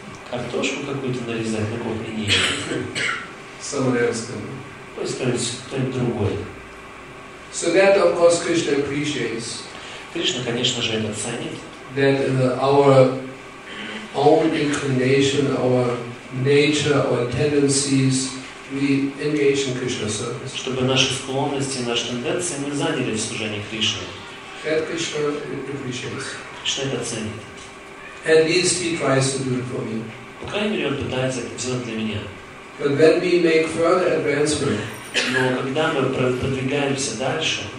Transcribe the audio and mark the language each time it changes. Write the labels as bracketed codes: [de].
[ru] Картошку какую-то нарезать на кухне не есть. Самарянскую. Кто-нибудь другой. [en] So that, of course, Krishna appreciates. [ru] Кришна, конечно же, это ценит. [en] That our own inclination, our nature, our tendencies, we engage in Krishna service. [ru] Чтобы наши склонности, наши тенденции мы заняли в служении Кришне. [en] That Krishna appreciates. [ru] Кришна это ценит. [en] At least he tries to do it for me. [ru] По крайней мере, он пытается это сделать для меня. [en] But when we make further advancement, [ru] но когда мы продвигаемся дальше,